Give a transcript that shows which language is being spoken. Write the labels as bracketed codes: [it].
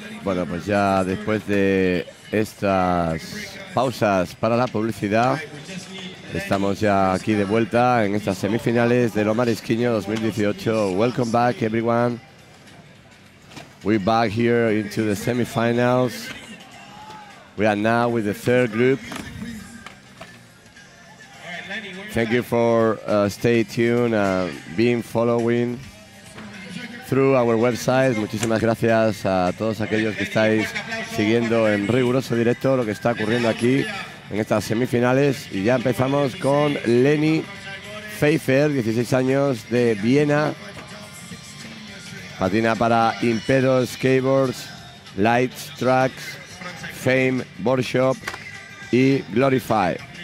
[es] Bueno, pues ya después de estas pausas para la publicidad, estamos ya aquí de vuelta en estas semifinales de Lo Marisquiño 2018. [en] Welcome back, everyone. We're back here into the semifinals. We are now with the third group. Thank you for stay tuned and being following through our website. [es] Muchísimas gracias a todos aquellos que estáis siguiendo en riguroso directo lo que está ocurriendo aquí en estas semifinales. Y ya empezamos con Lenny Pfeiffer, 16 años, de Viena. Patina para Impero Skateboards, Light Tracks, Fame Workshop y Glorify.